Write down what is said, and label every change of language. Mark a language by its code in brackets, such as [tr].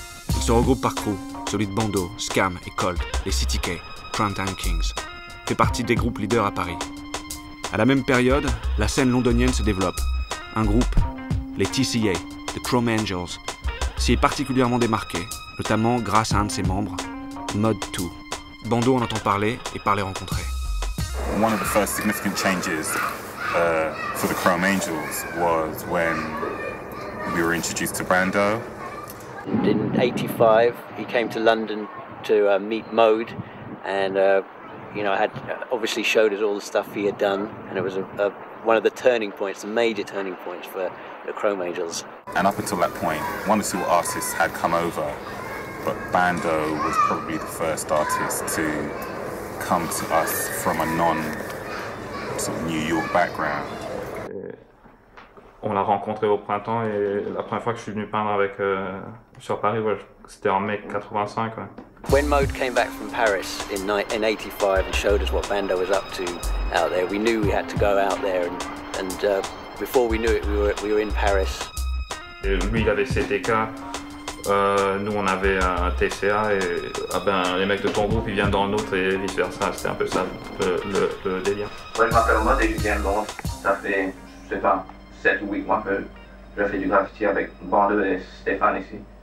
[fr] Ils se regroupent par crew, celui de Bando, Scam et Colt, les City K, Crimetime Kings, fait partie des groupes leaders à Paris. À la même période, la scène londonienne se développe. Un groupe, les TCA, The Chrome Angels, s'y est particulièrement démarqué, notamment grâce à un de ses membres, Mod 2. Bando en entend parler et par les rencontrer. [en] One of the first significant changes for the Chrome Angels was when we were introduced to Brando. In 85, he came to London to meet Mode, and had obviously showed us all the stuff he had done, and it was one of the turning points, the major turning points for the Chrome Angels. And up until that point, one or two artists had come over, but Brando was probably the first artist to come to us from a non New York background. [fr] On l'a rencontré au printemps et la première fois que je suis venu peindre avec sur Paris, ouais, c'était en mai 85. Ouais. [en] When Mode came back from Paris in 85 and showed us what Bando was up to out there, we knew we had to go out there and before we knew it, we were in Paris. [fr] Et lui il avait CTK, nous on avait un TCA et les mecs de ton groupe ils viennent dans le nôtre et vice versa, c'était un peu ça le délire. Ouais, je m'appelle Mode et je viens de Londres. Ça fait, je sais pas, 7 ou 8 mois que je fais du graffiti avec Bando et Stéphane ici.